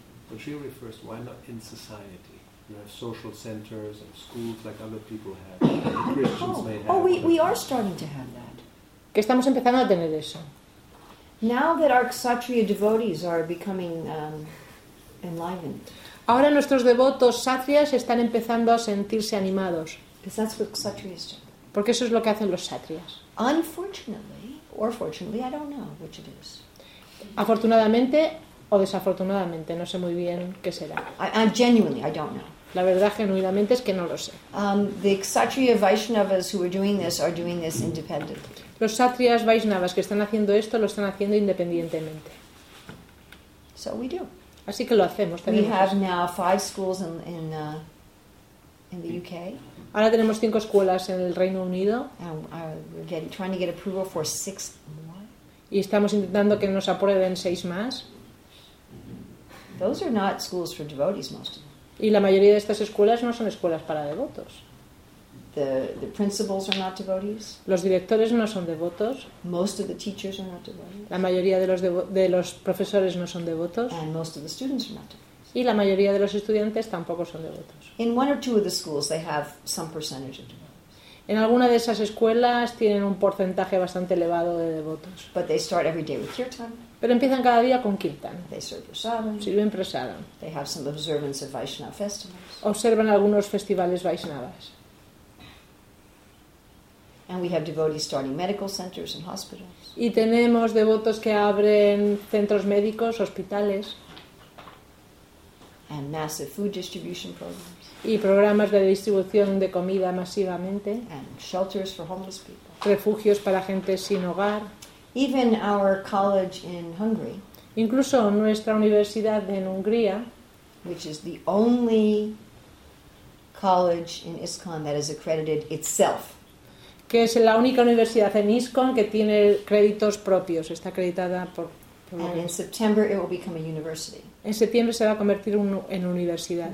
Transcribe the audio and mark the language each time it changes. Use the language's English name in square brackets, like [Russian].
[English] When she refers, why not in society? You have social centers and schools like other people have. We are starting to have that. [Spanish] Que estamos empezando a tener eso. [English] Now that our Kshatriya devotees are becoming enlivened. [Spanish] Ahora nuestros devotos Kshatriyas están empezando a sentirse animados. [English] Because that's what Kshatriyas do. [Spanish] Porque eso es lo que hacen los Kshatriyas. [English] Unfortunately, or fortunately, I don't know which it is. [Spanish] Afortunadamente o desafortunadamente, no sé muy bien qué será. [English] I genuinely don't know. [Spanish] La verdad genuinamente es que no lo sé. [English] The Kshatriya Vaishnavas who are doing this independently. [Spanish] Los Kshatriyas Vaishnavas que están haciendo esto lo están haciendo independientemente. [English] So we do. [Spanish] Así que lo hacemos. [English] We have now 5 schools in the UK. [Spanish] Ahora tenemos 5 escuelas en el Reino Unido. [English] And we're trying to get approval for 6 more. [Spanish] Y estamos intentando que nos aprueben 6 más. [English] Those are not schools for devotees, most of them. [Spanish] Y la mayoría de estas escuelas no son escuelas para devotos. [English] The principals are not devotees. [Spanish] Los directores no son devotos. [English] Most of the teachers are not devotees. [Spanish] La mayoría de los profesores no son devotos. [English] And most of the students are not devotees. [Spanish] Y la mayoría de los estudiantes tampoco son devotos. [English] In one or two of the schools, they have some percentage of devotees. [Spanish] En alguna de esas escuelas tienen un porcentaje bastante elevado de devotos. [English] But they start every day with kirtan. [Spanish] Pero empiezan cada día con kirtan. [English] They serve prasadam. [Spanish] Sirven prasadam. [English] They have some observance of Vaishnava festivals. [Spanish] Observan algunos festivales Vaishnavas. [English] And we have devotees starting medical centers and hospitals. [Spanish] Y tenemos devotos que abren centros médicos, hospitales. [English] And massive food distribution programs. [Spanish] Y programas de distribución de comida masivamente. [English] And shelters for homeless people. [Spanish] Refugios para gente sin hogar. [English] Even our college in Hungary. [Spanish] Incluso nuestra universidad en Hungría, [English] which is the only college in ISKCON that is accredited itself. [Spanish] Que es la única universidad en ISKCON que tiene créditos propios, está acreditada por [English] And in September it will become a university. [Spanish] En septiembre se va a convertir en universidad.